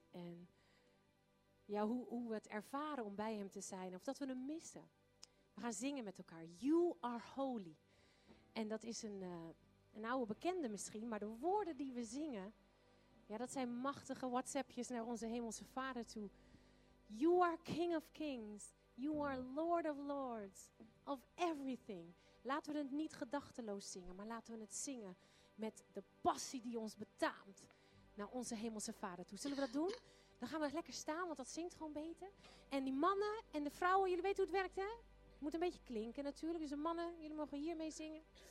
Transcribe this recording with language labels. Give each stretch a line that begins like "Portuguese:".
Dutch: En ja, hoe we het ervaren om bij hem te zijn. Of dat we hem missen. We gaan zingen met elkaar.
English: You are holy.
Dutch: En dat is een oude bekende misschien. Maar de woorden die we zingen, ja, dat zijn machtige WhatsAppjes naar onze hemelse vader toe.
English: You are king of kings. You are Lord of Lords, of everything.
Dutch: Laten we het niet gedachteloos zingen, maar laten we het zingen met de passie die ons betaamt naar onze hemelse vader toe. Zullen we dat doen? Dan gaan we lekker staan, want dat zingt gewoon beter. En die mannen en de vrouwen, jullie weten hoe het werkt, hè? Het moet een beetje klinken natuurlijk, dus de mannen, jullie mogen hier mee zingen.